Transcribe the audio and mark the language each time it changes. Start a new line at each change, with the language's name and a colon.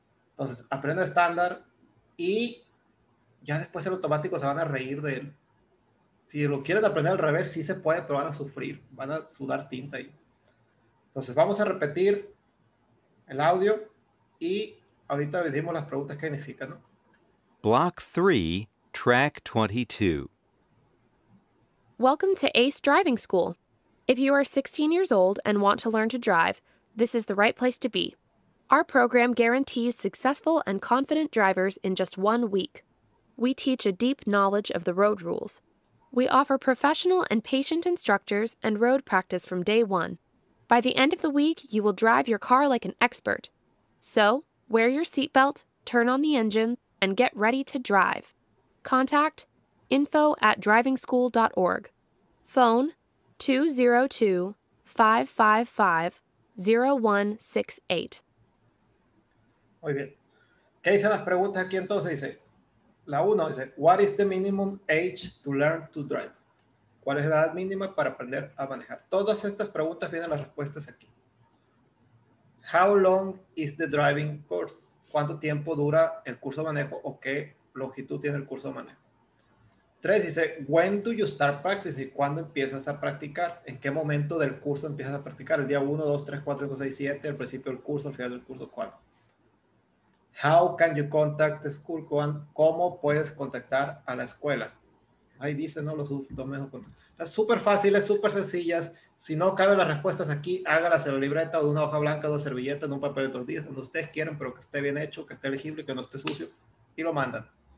Spanish: Entonces, aprende estándar y ya después el automático se van a reír de él. Si lo quieren aprender al revés, sí se puede, pero van a sufrir, van a sudar tinta ahí. Entonces, vamos a repetir el audio y ahorita les dimos las preguntas que significan, ¿no?
English: Block 3, Track 22. Welcome to ACE Driving School. If you are 16 years old and want to learn to drive, this is the right place to be. Our program guarantees successful and confident drivers in just 1 week. We teach a deep knowledge of the road rules. We offer professional and patient instructors and road practice from day one. By the end of the week, you will drive your car like an expert. So, wear your seatbelt, turn on the engine, and get ready to drive. Contact info@drivingschool.org. Phone 202-555-0168.
Spanish: Muy bien. ¿Qué dicen las preguntas aquí entonces? Dice, la uno dice,
English: what is the minimum age to learn to drive?
Spanish: ¿Cuál es la edad mínima para aprender a manejar? Todas estas preguntas vienen las respuestas aquí.
English: How long is the driving course?
Spanish: ¿Cuánto tiempo dura el curso de manejo o qué longitud tiene el curso de manejo? Tres dice,
English: when do you start practicing?
Spanish: ¿Cuándo empiezas a practicar? ¿En qué momento del curso empiezas a practicar? ¿El día 1, 2, 3, 4, 5, 6, 7, el principio del curso, el final del curso, cuándo?
English: How can you contact the school?
Spanish: ¿Cómo puedes contactar a la escuela? Ahí dice, no, los dos mismos contactos. Súper fáciles, súper sencillas. Si no caben las respuestas aquí, hágalas en la libreta o de una hoja blanca, dos servilletas, en un papel de tortillas, donde ustedes quieran, pero que esté bien hecho, que esté legible, que no esté sucio, y lo mandan.